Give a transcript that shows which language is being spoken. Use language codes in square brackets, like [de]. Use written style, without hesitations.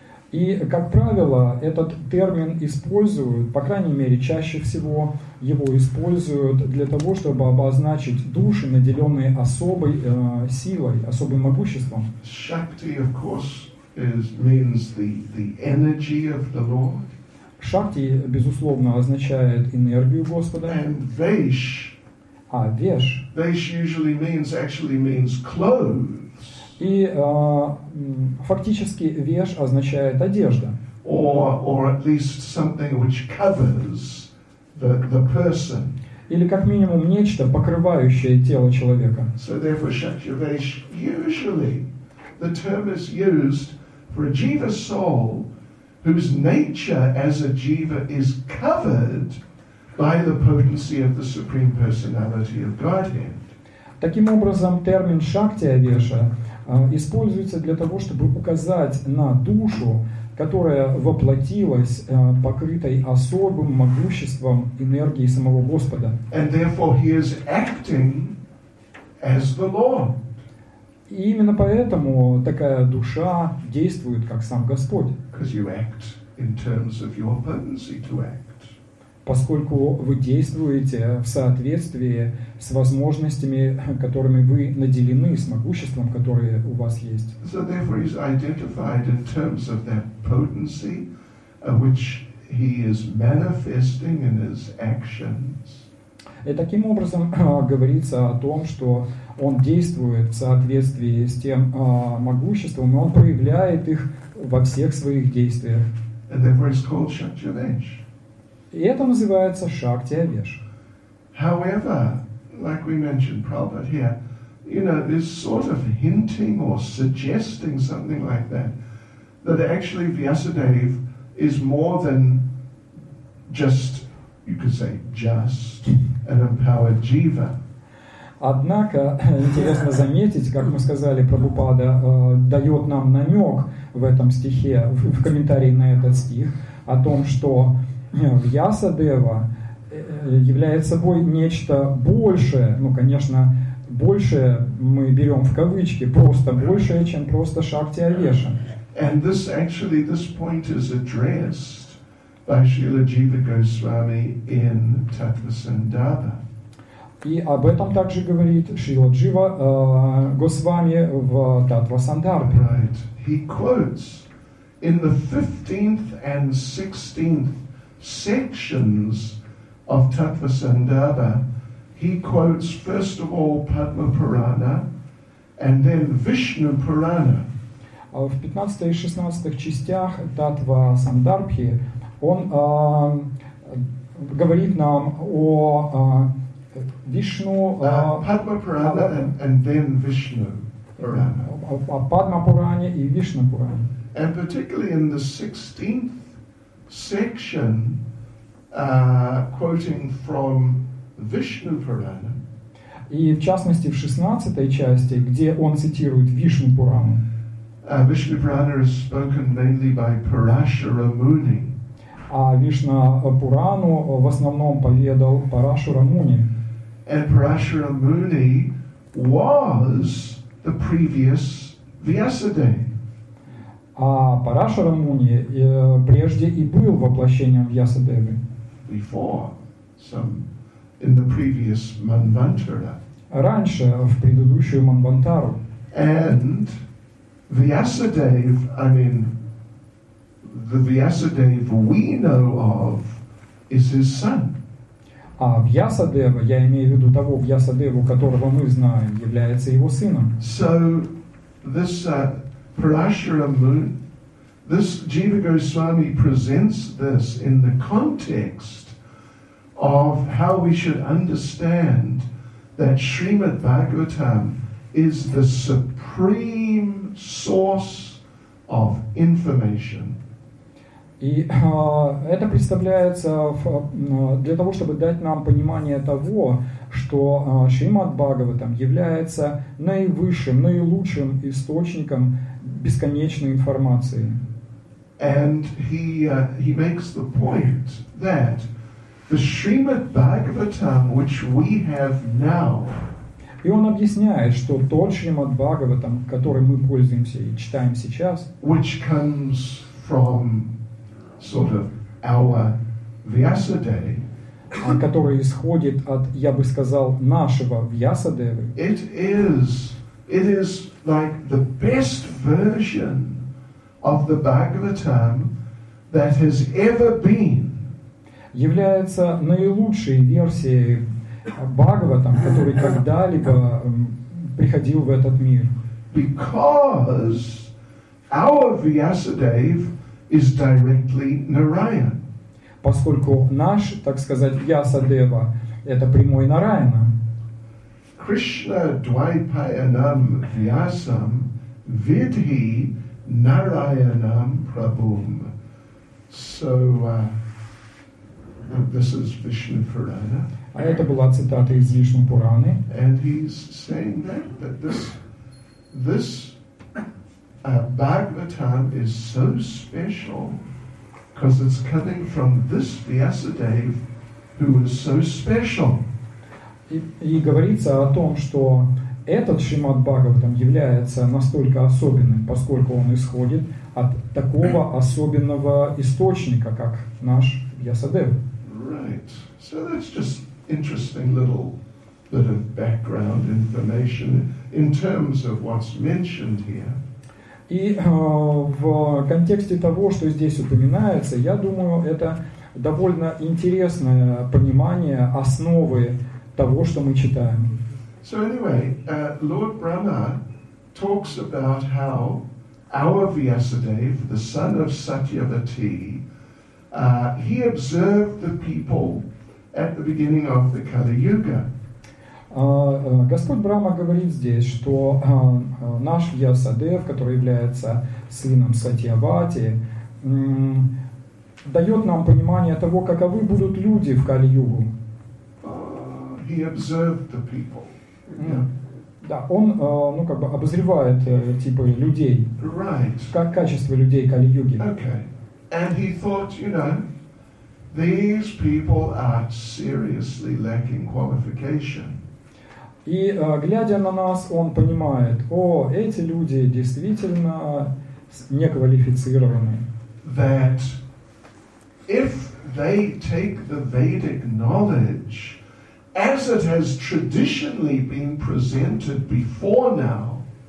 [ru] И, как правило, этот термин используют, по крайней мере, чаще всего его используют для того, чтобы обозначить души, наделенные особой силой, особым могуществом. [en] Shakti, of course, means the energy of the Lord. [ru] Shakti, безусловно, означает энергию Господа. [en] And vesh. [ru] А, vesh. [en] Vesh usually means, actually means clothes. [ru] И фактически веш означает одежда. [en] Or at least something which covers the person. [ru] или как минимум нечто, покрывающее тело человека. [en] So therefore, Shaktivesh, usually the term is used for a jiva soul whose nature as a jiva is covered by the potency of the Supreme Personality of Godhead. [ru] Таким образом, термин Шактиавеша используется для того, чтобы указать на душу, которая воплотилась, покрытой особым могуществом энергии самого Господа. [en] And therefore he is acting as the Lord. [ru] И именно поэтому такая душа действует как сам Господь. [en] Because you act in terms of your potency to act. [ru] Поскольку вы действуете в соответствии с возможностями, которыми вы наделены, с могуществом, которое у вас есть. [en] So therefore he's identified in terms of that potency which he is manifesting in his actions. [ru] И таким образом говорится о том, что он действует в соответствии с тем могуществом, но он проявляет их во всех своих действиях. [en] And therefore it's called Shaktivesh. [ru] И это называется Шактиавеш. [en] However, like we mentioned Prabhupada here, you know, this sort of hinting or suggesting something like that, that actually Vyasadeva is more than just, you could say, just an empowered jiva. [ru] Однако, интересно заметить, как мы сказали, Прабхупада дает нам намек в этом стихе, в комментарии на этот стих, о том, что Вьясадева является собой нечто большее, ну, конечно, большее мы берем в кавычки, просто большее, чем просто Шактиавеша. [en] And this actually, this point is addressed by Srila Jiva Goswami in Tattva Sandarbha. [ru] И об этом также говорит Шрила Джива Госвами в Таттва Сандарбхе. [en] Right. He quotes in the 15th and 16th sections of Таттва Сандарбхе, he quotes first of all Padma Purana and then Vishnu Purana. [ru] В 15 и 16 частях Таттва Сандарбхе он говорит нам о Вишну, [en] Padma Purana and then Vishnu Purana. [ru] Padma Purana и Вишну Пурана. [en] And particularly in the 16th section, quoting from Vishnu Purana. [ru] И в частности в 16-й части, где он цитирует Вишну Пурану. [en] Vishnu Purana is spoken mainly by Parashara Muni. [ru] А Вишна Пурану в основном поведал Парашура Муни. [en] And Parashara Muni was the previous Vyasadeva. [ru] А Парашара Муни прежде и был воплощением Вьясадевы. [en] Before, some in the previous Manvantara. [ru] Раньше, в предыдущую Манвантару. [en] And Vyasadeva, I mean, the Vyasadeva we know of is his son. [ru] А Вьясадева, я имею в виду того Вьясадеву, которого мы знаем, является его сыном. [en] So this Parashara Muni, this Jiva Goswami presents this in the context of how we should understand that Srimad Bhagavatam is the supreme source of information. [ru] И это представляется для того, чтобы дать нам понимание того, что Шримад Бхагаватам является наивысшим, наилучшим источником бесконечной информации. [en] And he makes the point that the Shrimad Bhagavatam, which we have now. [ru] И он объясняет, что тот Шримад Бхагаватам, который мы пользуемся и читаем сейчас, [en] which comes from sort of our Vyasadeva, [ru] который исходит от, я бы сказал, нашего Вьясадевы. [en] It is like the best version of the Bhagavatam that has ever been. [ru] Является наилучшей версией Бхагаватам, который когда-либо приходил в этот мир. [en] Because our Vyasadeva is directly Narayan. [ru] Поскольку наш, так сказать, Вьясадева это прямой Нараяна. [sa] Krishna Dvaipayanam Vyasam Vidhi Narayanam Prabhum. [en] So this is Vishnu Purana. [ru] А это была цитата из Вишну Пураны. [en] And he's saying that this Bhagavatam is so special because it's coming from this Vyasadeva who is so special. [ru] И говорится о том, что этот Шримад Бхагаватам является настолько особенным, поскольку он исходит от такого особенного источника, как наш Ясадев. [en] Right. So that's just interesting little bit of background information in terms of what's mentioned here. [ru] И в контексте того, что здесь упоминается, я думаю, это довольно интересное понимание основы того, что мы читаем. [en] So anyway, Lord Brahma talks about how our Vyasadev, the son of Satyavati, he observed the people at the beginning of the Kali Yuga. [ru] Господь Брама говорит здесь, что наш Вьясадев, который является сыном Сатьявати, дает нам понимание того, каковы будут люди в Кали-Югу. [en] He observed the people. Yeah. [ru] Да, он как бы обозревает типа людей. [en] Right. [ru] Как качество людей Кали-Юги. [en] Okay. And he thought, you know, these people are seriously lacking qualification. И глядя на нас, он понимает, о, эти люди действительно неквалифицированы. That if they take the Vedic knowledge as it has traditionally been presented before now.